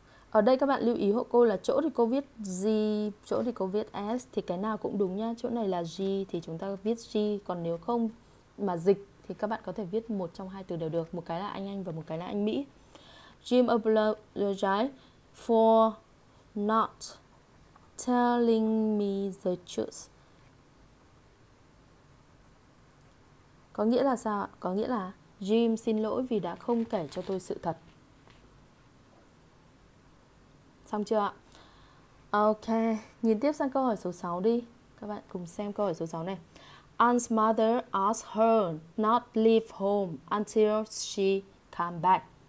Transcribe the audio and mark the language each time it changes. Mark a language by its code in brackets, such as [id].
[vi] Ở đây các bạn lưu ý hộ cô là chỗ thì cô viết G, chỗ thì cô viết S, thì cái nào cũng đúng nha. Chỗ này là G thì chúng ta viết G, còn nếu không mà dịch thì các bạn có thể viết một trong hai từ đều được, một cái là anh và một cái là anh Mỹ. [en] Jim apologized for not telling me the truth. [vi] Có nghĩa là sao ạ? Có nghĩa là Jim xin lỗi vì đã không kể cho tôi sự thật. Xong chưa ạ? Ok, nhìn tiếp sang câu hỏi số 6 đi. Các bạn cùng xem câu hỏi số 6 này. [en] Aunt's mother asked her not leave home until she come back.